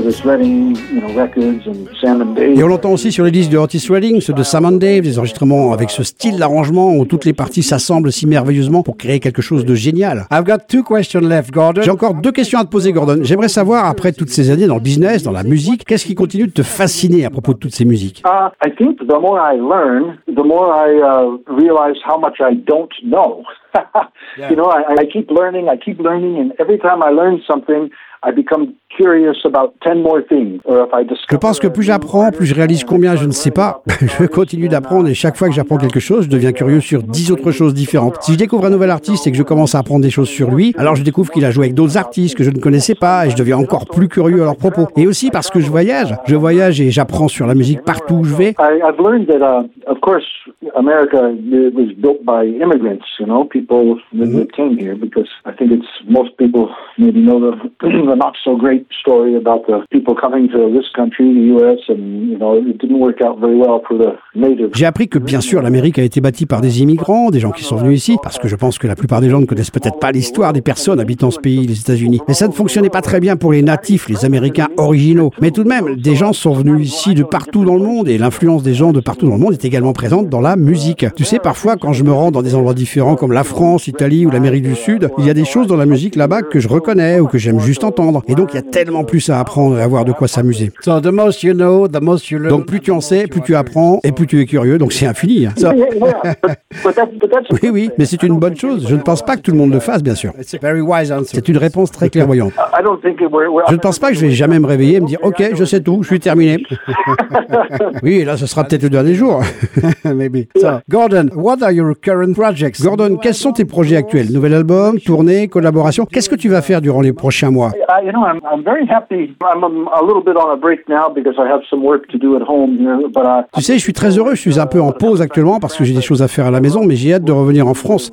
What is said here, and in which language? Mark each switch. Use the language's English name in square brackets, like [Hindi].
[French] Et on l'entend aussi sur les disques de Otis Redding, ceux de Sam and Dave, des enregistrements avec ce style d'arrangement où toutes les parties s'assemblent si merveilleusement pour créer quelque chose de génial. [English] I've got two questions left, Gordon. [French] J'ai encore deux questions à te poser, Gordon. J'aimerais savoir, après toutes ces années dans le business, dans la musique, qu'est-ce qui continue de te fasciner à propos de toutes ces musiques? [English] I think the more I learn, the more I realize how much I don't know. You know, I keep learning, and every time I learn something, I become curious about 10 more things. Or if I discover, [French] je pense que plus j'apprends, plus je réalise combien je ne sais pas. Je continue d'apprendre et chaque fois que j'apprends quelque chose, je deviens curieux sur 10 autres choses différentes. Si je découvre un nouvel artiste et que je commence à apprendre des choses sur lui, alors je découvre qu'il a joué avec d'autres artistes que je ne connaissais pas et je deviens encore plus curieux à leurs propos. Et aussi parce que je voyage et j'apprends sur la musique partout où je vais. [English] I've learned that, of course, America was built by immigrants, you know, people that came here, because I think it's most people maybe know the the not so great story about the people coming to this country, the U.S., and you know it didn't work out very well for the natives. [French] J'ai appris que bien sûr l'Amérique a été bâtie par des immigrants, des gens qui sont venus ici, parce que je pense que la plupart des gens ne connaissent peut-être pas l'histoire des personnes habitant ce pays, les États-Unis. Mais ça ne fonctionnait pas très bien pour les natifs, les Américains originaux. Mais tout de même, des gens sont venus ici de partout dans le monde, et l'influence des gens de partout dans le monde est également présente dans la musique. Tu sais, parfois, quand je me rends dans des endroits différents comme la France, l'Italie ou l'Amérique du Sud, il y a des choses dans la musique là-bas que je reconnais ou que j'aime juste entendre. Et donc, il y a tellement plus à apprendre et à voir de quoi s'amuser. [English] So the most you know, the most you learn. [French] Donc, plus tu en sais, plus tu apprends et plus tu es curieux. Donc, c'est infini. [English] So. [French] Oui, oui, mais c'est une bonne chose. Je ne pense pas que tout le monde le fasse, bien sûr. C'est une réponse très clairvoyante. Je ne pense pas que je vais jamais me réveiller et me dire « Ok, je sais tout, je suis terminé. » Oui, et là, ce sera peut-être le dernier jour. [English] Maybe. So, Gordon, what are your current projects? [French] Gordon, quels sont tes projets actuels? Nouvel album, tournée, collaboration? Qu'est-ce que tu vas faire durant les prochains mois? [English] You know, I'm very happy. I'm a little bit on a break now because I have some work to do at home. [French] Tu sais, je suis très heureux. Je suis un peu en pause actuellement parce que j'ai des choses à faire à la maison, mais j'ai hâte de revenir en France.